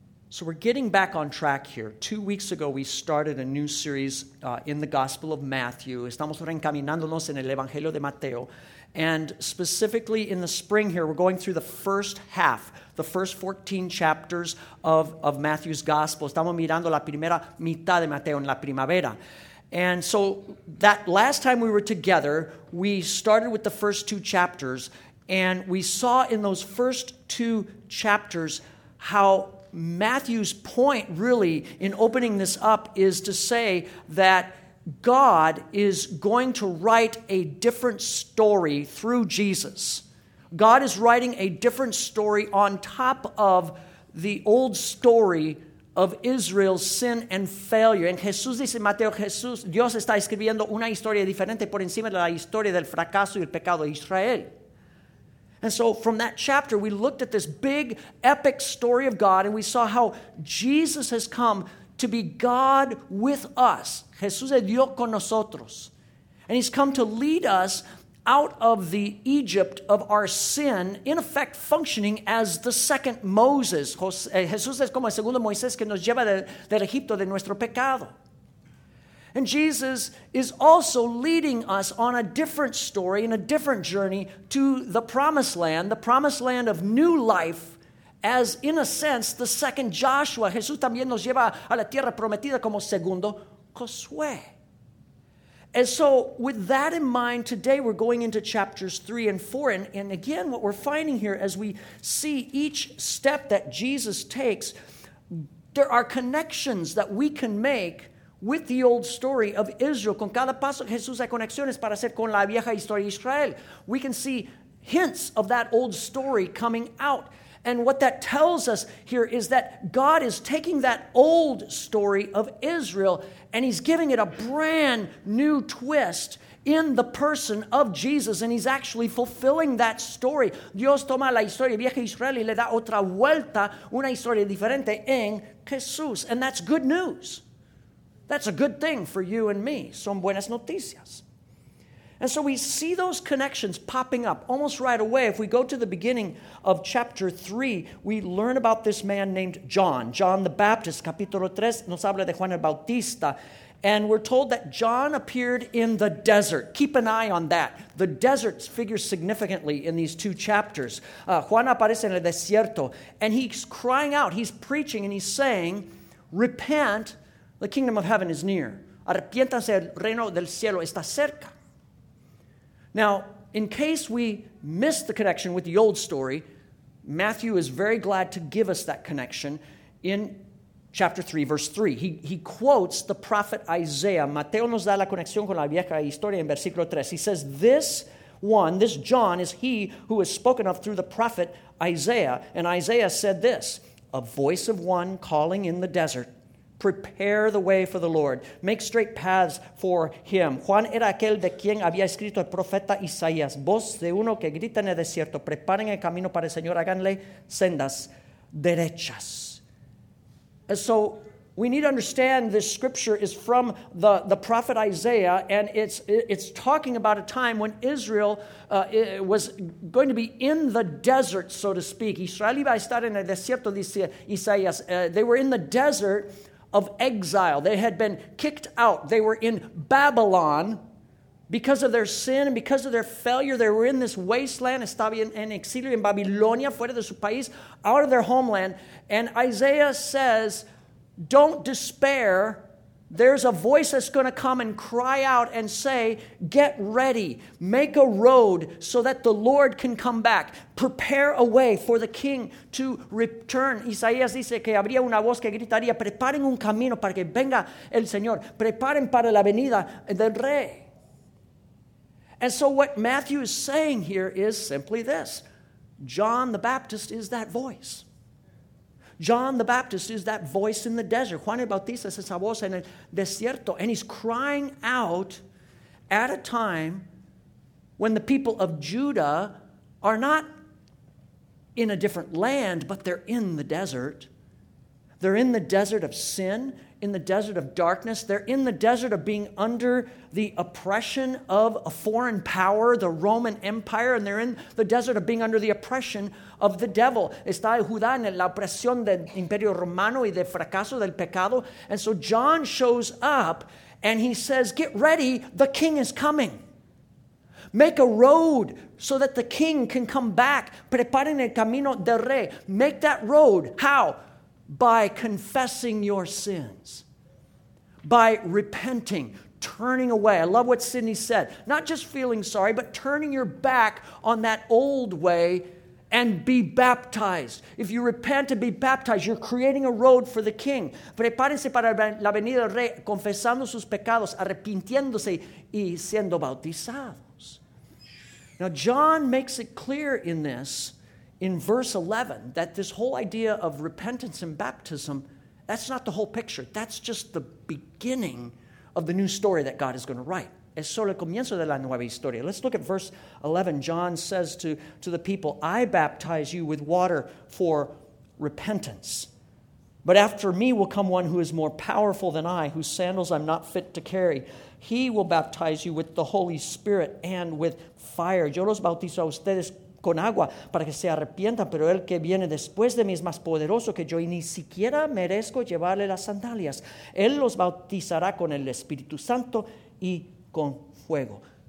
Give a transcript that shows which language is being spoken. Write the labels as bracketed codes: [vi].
[en] So we're getting back on track here. 2 weeks ago we started a new series in the Gospel of Matthew. [es] Estamos reencaminándonos en el Evangelio de Mateo. [en] And specifically in the spring here, we're going through the first half, the first 14 chapters of Matthew's gospel. [es] Estamos mirando la primera mitad de Mateo en la primavera. [en] And so that last time we were together, we started with the first two chapters, and we saw in those first two chapters how Matthew's point really in opening this up is to say that God is going to write a different story through Jesus. God is writing a different story on top of the old story of Israel's sin and failure. [es] And Jesús dice, Mateo, Jesús, Dios está escribiendo una historia diferente por encima de la historia del fracaso y el pecado de Israel. [en] And so from that chapter, we looked at this big, epic story of God, and we saw how Jesus has come to be God with us. [es] Jesús es Dios con nosotros. [en] And he's come to lead us out of the Egypt of our sin, in effect functioning as the second Moses. [es] Jesús es como el segundo Moisés que nos lleva del Egipto de nuestro pecado. [en] And Jesus is also leading us on a different story and a different journey to the promised land of new life, as in a sense the second Joshua. [es] Jesús también nos lleva a la tierra prometida como segundo Josué. [en] And so with that in mind, today we're going into chapters 3 and 4. And again, what we're finding here as we see each step that Jesus takes, there are connections that we can make with the old story of Israel. [es] Con cada paso Jesús hay conexiones para hacer con la vieja historia de Israel. [en] We can see hints of that old story coming out. And what that tells us here is that God is taking that old story of Israel and he's giving it a brand new twist in the person of Jesus, and he's actually fulfilling that story. [es] Dios toma la historia vieja de Israel y le da otra vuelta, una historia diferente en Jesús. [en] And that's good news. That's a good thing for you and me. [es] Son buenas noticias. [en] And so we see those connections popping up almost right away. If we go to the beginning of chapter 3, we learn about this man named John. [es] John the Baptist, capítulo 3, nos habla de Juan el Bautista. [en] And we're told that John appeared in the desert. Keep an eye on that. The desert figures significantly in these two chapters. [es] Juan aparece en el desierto. [en] And he's crying out, he's preaching, and he's saying, repent, the kingdom of heaven is near. [es] Arrepiéntanse, el reino del cielo está cerca. [en] Now, in case we missed the connection with the old story, Matthew is very glad to give us that connection in chapter 3, verse 3. He quotes the prophet Isaiah. [es] Mateo nos da la conexión con la vieja historia en versículo 3. [en] He says, this one, this John, is he who is spoken of through the prophet Isaiah. And Isaiah said this, a voice of one calling in the desert, prepare the way for the Lord. Make straight paths for him. [es] Juan era aquel de quien había escrito el profeta Isaías. Voz de uno que grita en el desierto. Preparen el camino para el Señor. Háganle sendas derechas. [en] And so we need to understand this scripture is from the prophet Isaiah. And it's talking about a time when Israel was going to be in the desert, so to speak. [es] Israel iba a estar en el desierto, dice Isaías. [en] They were in the desert of exile. They had been kicked out. They were in Babylon because of their sin and because of their failure. They were in this wasteland, [es] estaban en exilio en Babilonia, fuera de su país, [en] out of their homeland. And Isaiah says, don't despair. There's a voice that's going to come and cry out and say, get ready, make a road so that the Lord can come back. Prepare a way for the king to return. [es] Isaías dice que habría una voz que gritaría, preparen un camino para que venga el Señor. Preparen para la venida del rey. [en] And so what Matthew is saying here is simply this. John the Baptist is that voice. John the Baptist is that voice in the desert. Juan el Bautista es esa voz en el desierto. And he's crying out at a time when the people of Judah are not in a different land, but they're in the desert. They're in the desert of sin, in the desert of darkness. They're in the desert of being under the oppression of a foreign power, the Roman Empire, and they're in the desert of being under the oppression of the devil. [es] Está Judá en la opresión del Imperio Romano y del fracaso del pecado. [en] And so John shows up and he says, get ready, the king is coming. Make a road so that the king can come back. [es] Preparen el camino del rey. [en] Make that road. How? By confessing your sins. By repenting. Turning away. I love what Sidney said. Not just feeling sorry, but turning your back on that old way and be baptized. If you repent and be baptized, you're creating a road for the king. [es] Prepárense para la venida del rey, confesando sus pecados, arrepintiéndose y siendo bautizados. [en] Now, John makes it clear in this, in verse 11, that this whole idea of repentance and baptism, that's not the whole picture. That's just the beginning of the new story that God is going to write. [es] Es solo el comienzo de la nueva historia. [en] Let's look at verse 11. John says to the people, I baptize you with water for repentance. But after me will come one who is more powerful than I, whose sandals I'm not fit to carry. He will baptize you with the Holy Spirit and with fire. [es] Yo los bautizo a ustedes con agua para que se arrepientan, pero el que viene después de mí es más poderoso que yo y ni siquiera merezco llevarle las sandalias. Él los bautizará con el Espíritu Santo y con fuego.